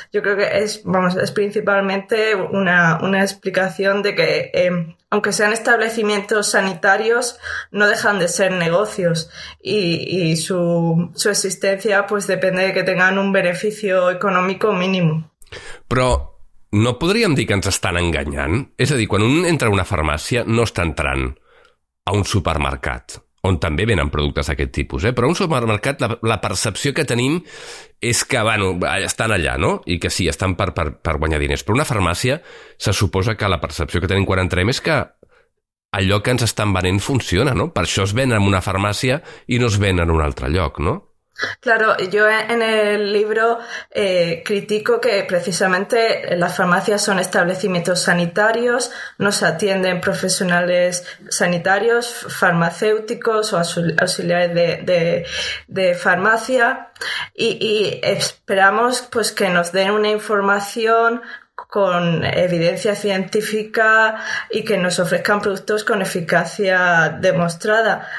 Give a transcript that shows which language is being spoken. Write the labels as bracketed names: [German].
[Spanish] Yo creo que es principalmente una explicación de que aunque sean establecimientos sanitarios, no dejan de ser negocios y su existencia pues depende de que tengan un beneficio económico mínimo. [Catalan] Però no podríem dir que ens estan enganyant? És a dir, quan un entra a una farmàcia no està entrant a un supermercat, on també venen productes d'aquest tipus, eh? Però un supermercat, la percepció que tenim és que, bueno, estan allà, no? I que sí, estan per guanyar diners. Però una farmàcia, se suposa que la percepció que tenim quan entrem és que allò que ens estan venent funciona, no? Per això es ven en una farmàcia i no es ven en un altre lloc, no? [Spanish] Claro, yo en el libro critico que precisamente las farmacias son establecimientos sanitarios, nos atienden profesionales sanitarios, farmacéuticos o auxiliares de farmacia y esperamos pues que nos den una información con evidencia científica y que nos ofrezcan productos con eficacia demostrada.